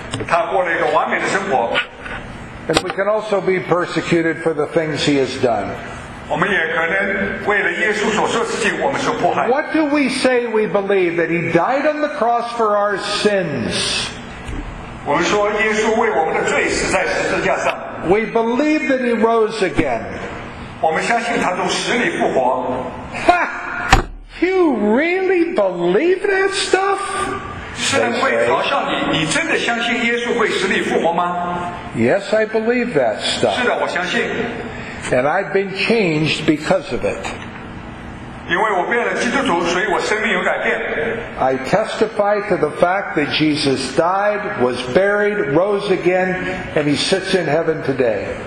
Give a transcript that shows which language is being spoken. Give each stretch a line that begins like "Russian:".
Chinese: 他过了一个完美的生活。
English: And we can also be persecuted for the things he has done. What do we say we believe? That he died on the cross for our sins. We believe that he rose again. Ha! You really believe that stuff?
Chinese: 是的，会嘲笑你。你真的相信耶稣会使你复活吗？
English: Yes, I believe that stuff.
Chinese: 是的，我相信。
English: And I've been changed because of it.
Chinese: 因为我变了基督徒，所以我生命有改变。
English: I testify to the fact that Jesus died, was buried, rose again, and he sits in heaven today.